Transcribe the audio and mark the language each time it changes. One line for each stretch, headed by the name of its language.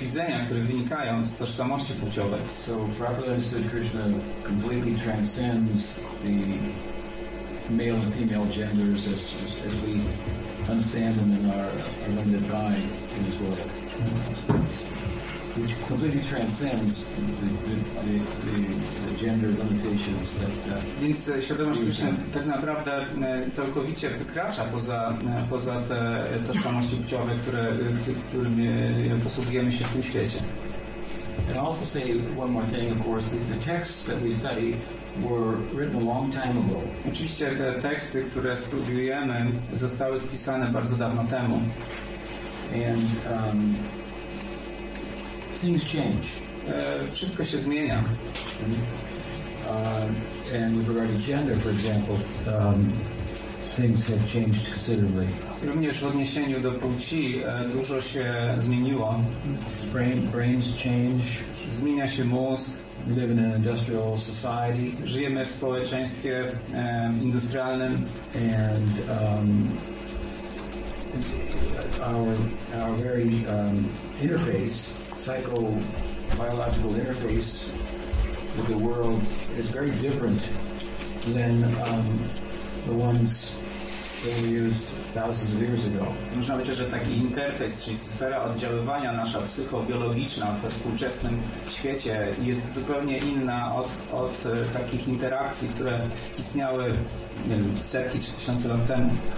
Polish: widzenia, które wynikają z tożsamości płciowej.
English: So properly understood, Krishna completely transcends the male and female genders as we understand them in our limited mind in this world. Which completely transcends the gender limitations
Polish: Więc świadomość Krishna tak naprawdę całkowicie wykracza poza te tożsamości płciowe, którymi posługujemy się w tym świecie.
English: And also say one more thing, of course, the texts that we study were written a long time ago.
Polish: Oczywiście te teksty, które studiujemy, zostały spisane bardzo dawno temu.
English: And things change.
Polish: Wszystko się zmienia.
English: And with regard to gender, for example, things have changed considerably.
Polish: Również w odniesieniu do płci dużo się zmieniło.
English: Brains change.
Polish: Zmienia się mózg.
English: We live in an industrial society.
Polish: Żyjemy w społeczeństwie industrialnym.
English: And our very interface. Psychobiological interface with the world is very different than the ones that we used thousands of years ago.
Polish: Można powiedzieć, że taki interfejs, czyli sfera oddziaływania nasza psychobiologiczna we współczesnym świecie jest zupełnie inna od takich interakcji, które istniały setki czy tysiące lat temu.